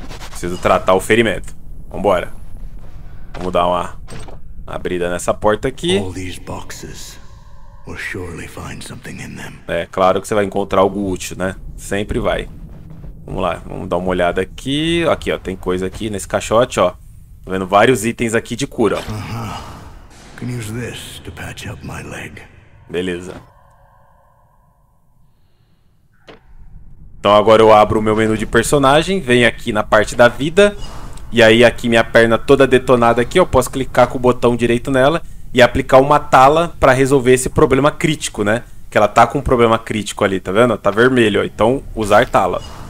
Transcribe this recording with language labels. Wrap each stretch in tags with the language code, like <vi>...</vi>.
<pt>Preciso tratar o ferimento. Vambora. Vamos dar uma abrida nessa porta aqui.</pt> <en>All these boxes, we'll surely find something in them.</en> <pt>É claro que você vai encontrar algo útil, né? Sempre vai. Vamos lá, vamos dar uma olhada aqui. Aqui, ó, tem coisa aqui nesse caixote, ó. Tô vendo vários itens aqui de cura.</pt> <en>Can use this to patch up my leg.</en> <pt>Beleza. Então agora eu abro o meu menu de personagem, venho aqui na parte da vida. E aí aqui minha perna toda detonada aqui, eu posso clicar com o botão direito nela e aplicar uma tala pra resolver esse problema crítico, né? Que ela tá com um problema crítico ali, tá vendo? Tá vermelho, ó. Então usar tala.</pt>